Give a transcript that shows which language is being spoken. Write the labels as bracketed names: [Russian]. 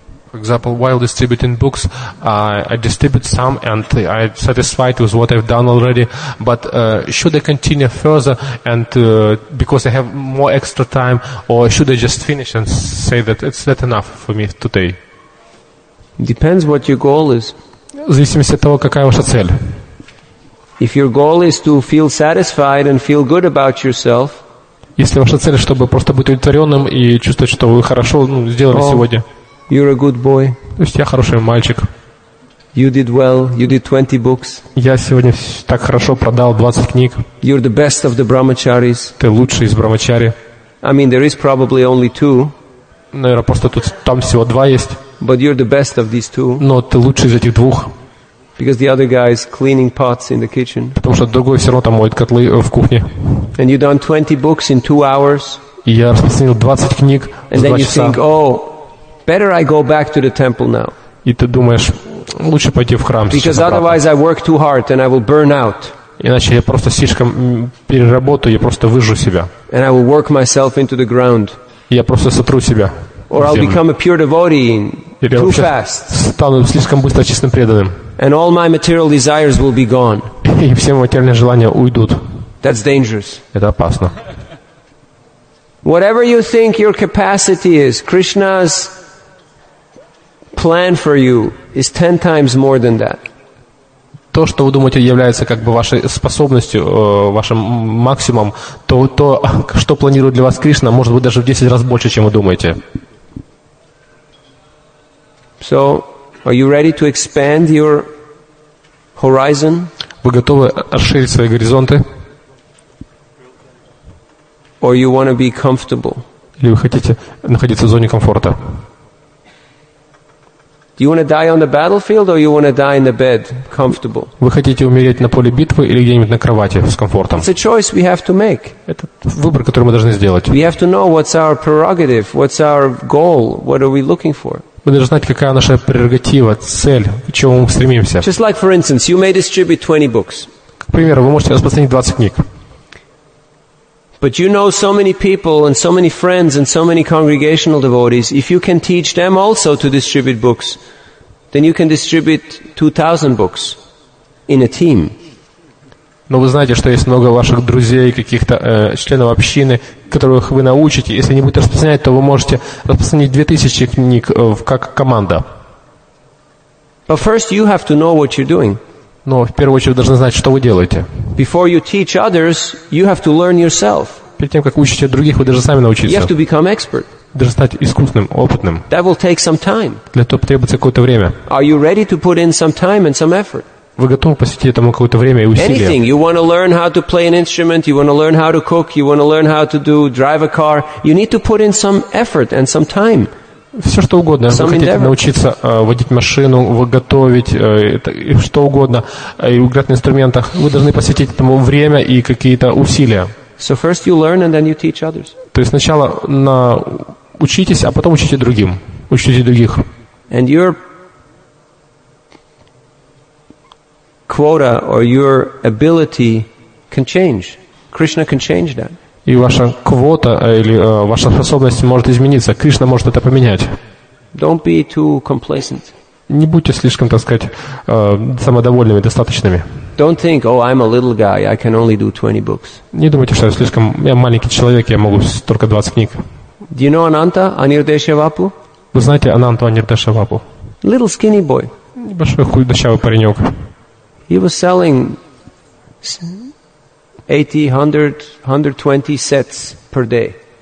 [English] For example, while distributing books, I distribute some and I'm satisfied with what I've done already. But should I continue further and because I have more extra time, or should I just finish and say that it's not enough for me today? Depends what your goal is. [Russian] В зависимости от того, какая ваша цель. [English] If your goal is to feel satisfied and feel good about yourself. [Russian] Если ваша цель, чтобы просто быть удовлетворенным и чувствовать, что вы хорошо сделали сегодня. [English] You're a good boy. [Russian] То есть я хороший мальчик. [English] You did well. You did 20 books. [Russian] Я сегодня так хорошо продал 20 книг. [English] You're the best of the brahmacharis. [Russian] Ты лучший из брахмачари. [English] I mean, there is probably only two. [Russian] Наверное, просто тут там всего два есть. [English] But you're the best of these two. [Russian] Но ты лучший из этих двух. [English] Because the other guy is cleaning pots in the kitchen. [Russian] Потому что другой все равно там моет котлы в кухне. [English] And you done 20 books in 2 hours. [Russian] И я распространил 20 книг за 2 часа. [English] And then you think, oh. Better I go back to the temple now. [Russian] И ты думаешь, лучше пойти в храм. [English] Because otherwise I work too hard and I will burn out. [Russian] Иначе я просто слишком переработаю, я просто выжжу себя. [English] And I will work myself into the ground. [Russian] Я просто сотру себя. [English] Or I'll become a pure devotee too fast. [Russian] Стану слишком быстро чистым преданным. [English] And all my material desires will be gone. [Russian] И все мои материальные желания уйдут. [English] That's dangerous. [Russian] Это опасно. [English] Whatever you think your capacity is, Krishna's plan for you is 10 times more than that. [Russian] То, что вы думаете, является как бы вашей способностью, вашим максимумом, то, что планирует для вас Кришна, может быть даже в 10 раз больше, чем вы думаете. [English] So, are you ready to expand your horizon? [Russian] Вы готовы расширить свои горизонты? [English] Or you want to be comfortable? [Russian] Или вы хотите находиться в зоне комфорта? [English] You want to die on the battlefield or you want to die in the bed, comfortable? [Russian] Вы хотите умереть на поле битвы или где-нибудь на кровати с комфортом? [English] It's a choice we have to make. [Russian] Это выбор, который мы должны сделать. [English] We have to know what's our prerogative, what's our goal, what are we looking for? [Russian] Мы должны знать, какая наша прерогатива, цель, к чему мы стремимся. [English] Just like for instance, you may distribute 20 books. [Russian] К примеру, вы можете распространить 20 книг. [English] But you know so many people and so many friends and so many congregational devotees, if you can teach them also to distribute books, then you can distribute 2,000 books in a team. [Russian] Но вы знаете, что есть много ваших друзей, каких-то членов общины, которых вы научите. Если они будут распространять, то вы можете распространить 2000 книг как команда. [English] But first you have to know what you're doing. [Russian] Но в первую очередь вы должны знать, что вы делаете. [English] Before you teach others, you have to learn yourself. [Russian] Перед тем, как учите других, вы должны сами научиться. [English] You have to become expert. [Russian] Должны стать искусным, опытным. [English] That will take some time. [Russian] Для этого потребуется какое-то время. [English] Are you ready to put in some time and some effort? [Russian] Вы готовы посвятить этому какое-то время и усилия? [English] Anything. You want to learn how to play an instrument, you want to learn how to cook, you want to learn how to drive a car. You need to put in some effort and some time. [Russian] Все что угодно. Вы хотите [English] endeavor. [Russian] Научиться водить машину, готовить, что угодно, и играть на инструментах. Вы должны посвятить этому время и какие-то усилия. [English] So first you learn and then you teach others. [Russian] То есть сначала учитесь, а потом учите другим. Учите других. [English] And your quota or your ability can change. Krishna can change that. [Russian] И ваша квота или ваша способность может измениться. Кришна может это поменять. [English] Don't be too complacent. [Russian] Не будьте слишком, так сказать, самодовольными, достаточными. [English] Don't think, oh, I'm a little guy, I can only do 20 books. [Russian] Не думайте, что я маленький человек, я могу только 20 книг. [English] Do you know Ananta Anirdeshavapu? [Russian] Вы знаете Ананту Анирдешавапу? [English] Little skinny boy. [Russian] Небольшой худощавый паренек. [English] He was selling 80, 100, 120 sets per day.